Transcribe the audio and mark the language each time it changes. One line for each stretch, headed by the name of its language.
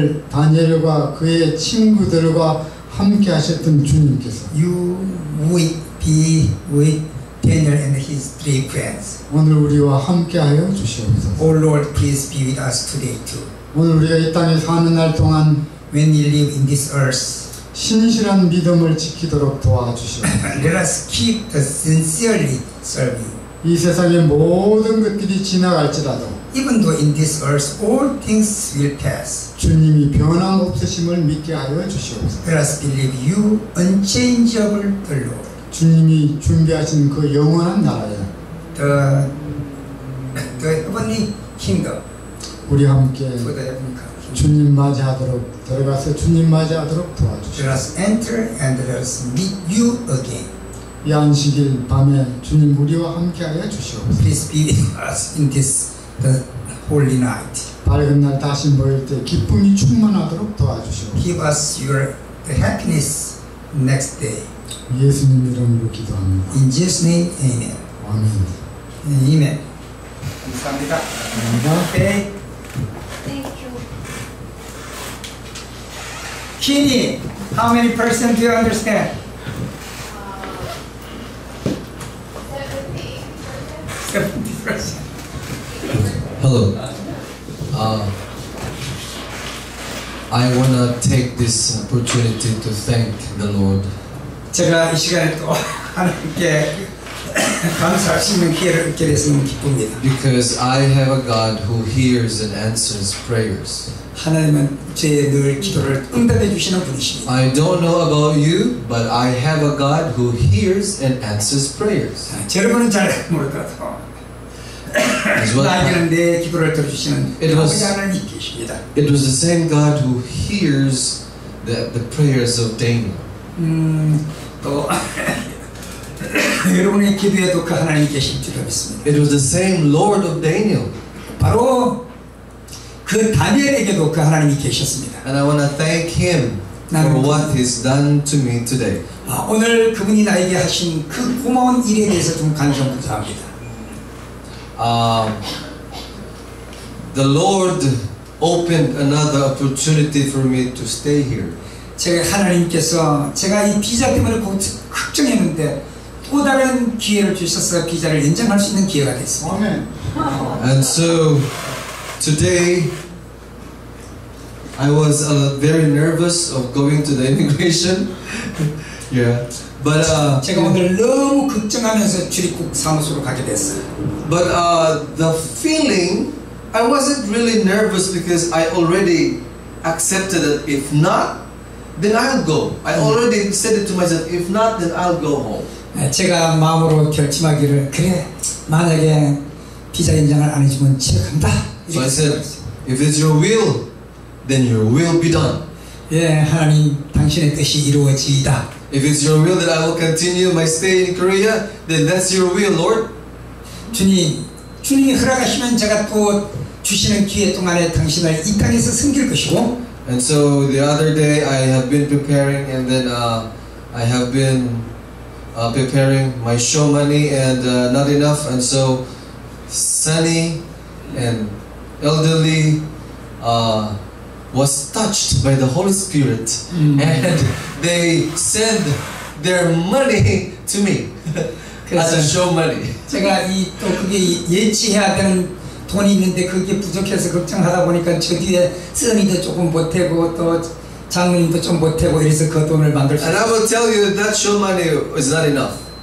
Korean: 다니엘과 그의 친구들과 함께 하셨던 주님께서,
English: You will be with Daniel and his three friends.
Korean: 오늘 우리와 함께하여 주시옵소서.
English: Oh Lord, please be with us today too.
Korean: 오늘 우리가 이 땅에 사는 날 동안,
English: when we live in this earth,
Korean: 신실한 믿음을 지키도록 도와주시옵소서.
English: Let us keep the sincerely serve you.
Korean: 이 세상의 모든 것들이 지나갈지라도,
English: even though in this earth all things will pass,
Korean: 주님이 변함 없으심을 믿게 하여 주시옵소서.
English: Let us believe you unchangeable Lord.
Korean: 주님이 준비하신 그 영원한 나라에,
English: the heavenly kingdom,
Korean: 우리 함께 주님 맞이하도록 들어가서 주님 맞이하도록 도와주시옵소서.
English: Let us enter and let us meet you again.
Korean: 이 안식일 밤에 주님 우리와 함께 하여 주시옵소서.
English: Please be with us in this the holy night.
Korean: 밝은 날 다시 모일 때 기쁨이 충만하도록 도와주시옵소서.
English: Give us your the happiness next day.
Korean: 예수님 이름으로 기도합니다.
English: In Jesus' name, amen.
Korean: 아멘. 아멘. 감사합니다. 감사합니다.
English: Okay. Thank you. Kini, how many person do you understand? 70%. Hello. I want to take this opportunity to thank the Lord.
Korean: 제가 이 시간에 또 하나님께 감사할 수 있는 기회를 얻게 돼서 너무 기쁩니다.
English: Because I have a God who hears and answers prayers.
Korean: 하나님은 제 늘 기도를 응답해 주시는 분이십니다.
English: I don't know about you, but I have a God who hears and answers prayers.
Korean: 여러분은 잘 모르더라도 나에게는 내 기도를 들어주시는 아버지 하나님 계십니다.
English: It was the same God who hears the prayers of Daniel.
Korean: 또 여러분의 기도에도 그 하나님 계실 줄 믿습니다.
English: It was the same Lord of Daniel.
Korean: 바로 그 다니엘에게도 그 하나님이 계셨습니다.
English: And I want to thank him for what he's done to me today.
Korean: 아, 오늘 그분이 나에게 하신 그 고마운 일에 대해서 좀 간절히 감사합니다.
English: The Lord opened another opportunity for me to stay here.
Korean: 제가 하나님께서 제가 이 비자 때문에 걱정했는데 또 다른 기회를 주셔서 비자를 연장할 수 있는 기회가 됐습니다.
English: Amen. And so today I was very nervous of going to the immigration. Yeah. But
Korean: 제가 오늘 너무 걱정하면서 출입국 사무소로 가게 됐어요.
English: But the feeling, I wasn't really nervous because I already accepted it. If not, then I'll go. I already said it to myself. If not, then I'll go home.
Korean: 제가 마음으로 결심하기를 그래 만약에 비자 인정을 안 해주면 집에 간다.
English: So I said, if it's your will, then your will be done.
Korean: 예, 하나님 당신의 뜻이 이루어지이다.
English: If it's your will that I will continue my stay in Korea, then that's your will, Lord.
Korean: 주님이 허락하시면 제가 또 주시는 기회 동안에 당신을 이 땅에서 섬길 것이고.
English: And so the other day I have been preparing, and then I have been preparing my show money and not enough, and so Sunny and elderly was touched by the Holy Spirit, and they send their money to me. As a show money.
Korean: 제가 이 또 그게 예치해야 되는 돈이 있는데 그게 부족해서 걱정하다 보니까 저 뒤에 쓰니도 조금 보태고 또 장모님도 좀 보태고 이래서 그 돈을 만들 수.
English: And I will tell you that show money is not enough.